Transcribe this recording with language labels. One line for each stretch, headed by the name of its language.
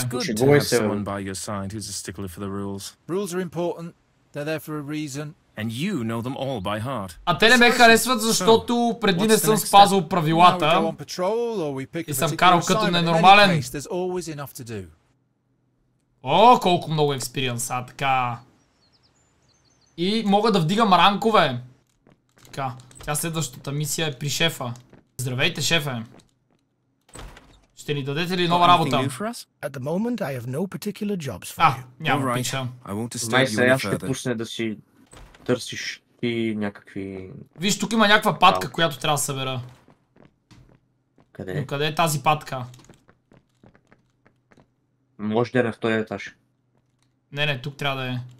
English: It's good to have someone by your side who's a stickler for the rules. Rules are important. They're there for a reason. And you know them all by heart.
Bulgarian: А те не ме харесват, защото преди не съм спазвал правилата. Patrol, и съм карал като ненормален. Case, о, колко много експириенс, а така... И мога да вдигам ранкове. Така, тя следващата мисия е при шефа. Здравейте, шефе. Ще ни дадете ли нова работа?
English: At the moment I have no particular jobs for you.
Bulgarian: Няма пиша. Най-сега ще пусне да си търсиш и някакви... Виж, тук има някаква патка, която трябва да събера. Къде? Но къде е тази патка? Може да е на втория етаж. Не, не, тук трябва да е.